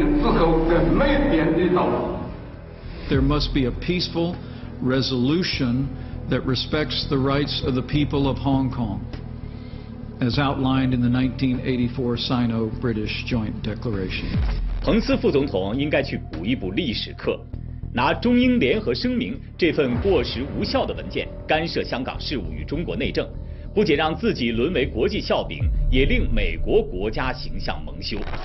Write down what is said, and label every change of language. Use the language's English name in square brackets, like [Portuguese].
[Chinese] 不会变的，从不能变，啊，这个好，这个不是说短期不变，是长期不变，这个道理我过去讲了多少次，对，就是说50年不变了，50年之后没变的道理。 [English] There must be a peaceful resolution that respects the rights of the people of Hong Kong, as outlined in the 1984 Sino-British Joint Declaration. [Chinese] 彭斯副总统应该去补一补历史课，拿中英联合声明这份过时无效的文件干涉香港事务与中国内政，不仅让自己沦为国际笑柄，也令美国国家形象蒙羞。